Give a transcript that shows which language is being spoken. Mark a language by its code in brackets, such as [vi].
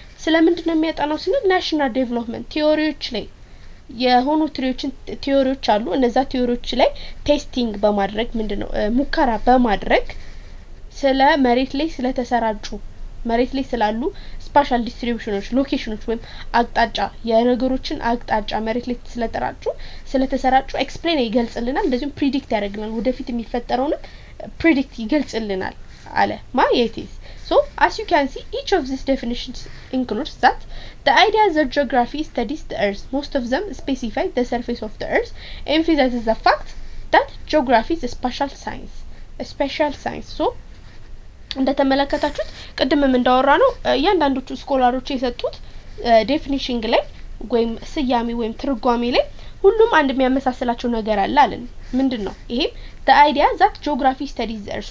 [am] ስለምንድነው የሚያጠናው ስንል ናሽናል ዴቨሎፕመንት ቲዮሪዎች ላይ የሆኑ ቲዮሪዎች አሉ። እነዛ ቲዮሪዎች ላይ ቴስቲንግ በማድረግ ምንድነው ሙከራ በማድረግ ስለ መሬት ላይ ስለተሰራጩ መሬት ላይ ስላሉ ስፓሻል ዲስትሪቢዩሽኖች ሎኬሽኖች ወይም አቅጣጫ የነገሮችን አቅጣጫ መሬት ላይ ስለተሰራጩ ኤክስፕሌን ይገልጽልናል፣ እንደዚሁም ፕሪዲክት ያደርግልናል፣ ወደፊት የሚፈጠረውንም ፕሪዲክት ይገልጽልናል አለ ማየቴስ። [en] So, as you can see, each of these definitions includes that the ideas of geography studies the Earth. Most of them specify the surface of the Earth, emphasizes the fact that geography is a special science. [am] So, እንደተመለከታችሁት ቀደምም እንዳወራነው እያንዳንዶቹ ስኮላሮች የሰጡት ዴፊኒሽን ላይ ወይም ስያሜ ወይም ትርጓሜ ላይ ሁሉም አንድ የሚያመሳስላቸው ነገር አለ አለን። ምንድን ነው ይሄም? [en] The idea that geography studies the earth.